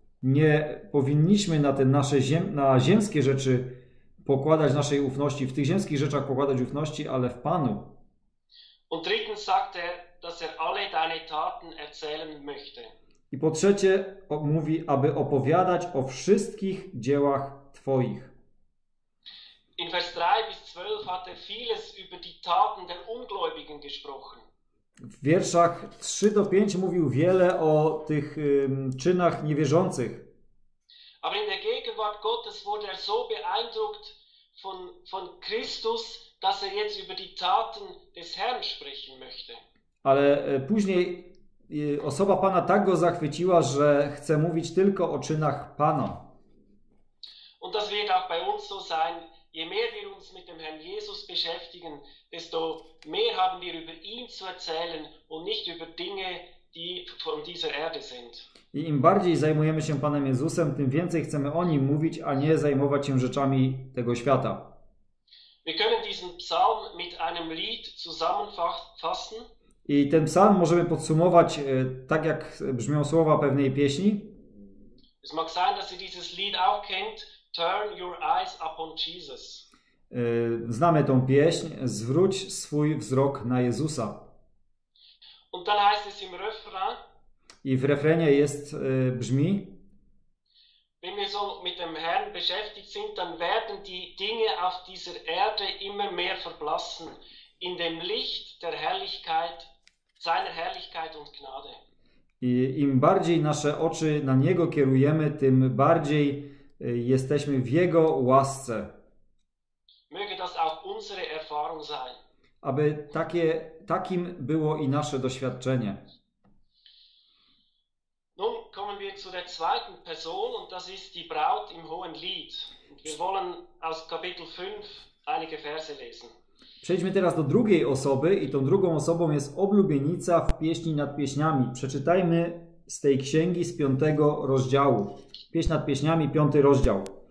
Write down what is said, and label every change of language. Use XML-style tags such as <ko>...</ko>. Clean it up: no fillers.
<pl>Nie powinniśmy na te nasze na ziemskie rzeczy pokładać naszej ufności, w tych ziemskich rzeczach pokładać ufności, ale w Panu.</pl> <de>Und drittens sagt er, dass er alle deine Taten erzählen möchte.</de> <pl>I po trzecie mówi, aby opowiadać o wszystkich dziełach Twoich.</pl> <de>In Vers 3 bis 12 hat er vieles über die Taten der Ungläubigen gesprochen.</de> <pl>W wierszach 3 do 5 mówił wiele o tych czynach niewierzących.</pl> <de>Aber in der Gegenwart Gottes wurde er so beeindruckt von Christus, dass er jetzt über die Taten des Herrn sprechen möchte.</de> <pl>Ale później osoba Pana tak go zachwyciła, że chce mówić tylko o czynach Pana.</pl> <de>Und das wird auch bei uns so sein. Je mehr wir uns mit dem Herrn Jesus beschäftigen, desto mehr haben wir über ihn zu erzählen und nicht über Dinge, die von dieser Erde sind.</de> <pl>I im bardziej zajmujemy się Panem Jezusem, tym więcej chcemy o nim mówić, a nie zajmować się rzeczami tego świata.</pl> <de>Wir können diesen Psalm mit einem Lied zusammenfassen.</de> <pl>I ten psalm możemy podsumować tak, jak brzmią słowa pewnej pieśni.</pl> <de>Es mag sein, dass ihr dieses Lied auch kennt.</de> <en>Turn your eyes upon Jesus.</en> <pl>Znamy tą pieśń. Zwróć swój wzrok na Jezusa.</pl> <de>Und dann heißt es im Refrain,</de> <pl>i w refrenie jest brzmi.</pl> <de>Wenn wir so mit dem Herrn beschäftigt sind, dann werden die Dinge auf dieser Erde immer mehr verblassen in dem Licht der Herrlichkeit, seiner Herrlichkeit und Gnade.</de> <pl>I im bardziej nasze oczy na Niego kierujemy, tym bardziej jesteśmy w Jego łasce.</pl> <de>Möge das auch unsere Erfahrung sein.</de> <pl>Aby takim było i nasze doświadczenie.</pl> <de>Nun kommen wir zu der zweiten Person und das ist die Braut im Hohen Lied. Wir wollen aus Kapitel 5 einige Verse lesen.</de> <pl>Przejdźmy teraz do drugiej osoby i tą drugą osobą jest oblubienica w Pieśni nad Pieśniami. Przeczytajmy z tej księgi, z 5 rozdziału. Pieśń nad Pieśniami, 5 rozdział.</pl>